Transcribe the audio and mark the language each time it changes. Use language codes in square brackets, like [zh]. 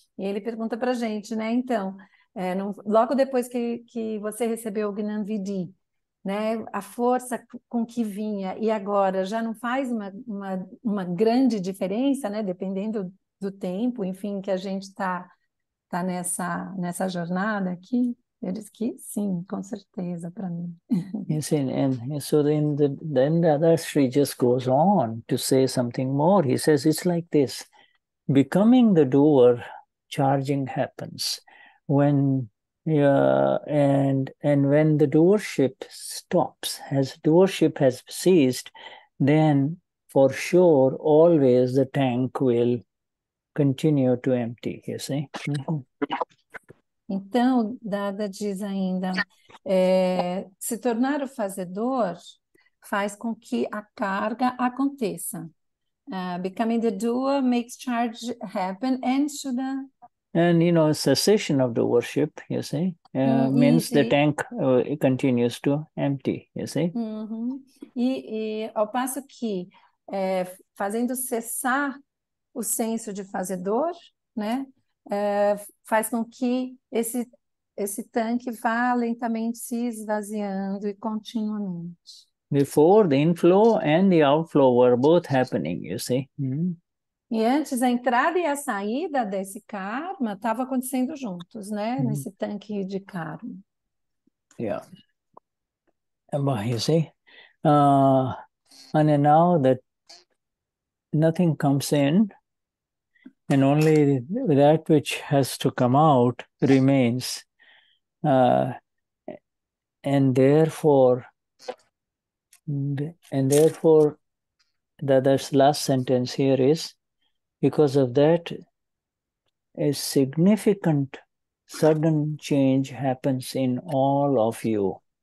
[pt] E ele pergunta para a gente, né, então... Não, logo depois que você recebeu o Gnanvidhi, né, a força com que vinha e agora já não faz uma grande diferença, né, dependendo do tempo, enfim, que a gente tá nessa jornada aqui? Eu disse que sim, com certeza, para mim. [en] You see, and so then the other three just goes on to say something more. He says, it's like this, becoming the doer, charging happens when and when the doership stops, as doership has ceased, then for sure always the tank will continue to empty, you see. [pt] Então, Dada diz ainda, se tornar o fazedor faz com que a carga aconteça. [en] Becoming the doer makes charge happen and should. And cessation of the worship, you see, means the tank continues to empty, you see. [pt] E ao passo que fazendo cessar o senso de fazedor, né? Faz com que esse tanque vá lentamente se esvaziando e continuamente. [en] Before the inflow and the outflow were both happening, you see. [pt] E antes, a entrada e a saída desse karma estava acontecendo juntos, né? Nesse tanque de karma. Yeah. [en] But you see, and now that nothing comes in, and only that which has to come out remains, and therefore, the last sentence here is, because of that, a significant sudden change happens in all of you.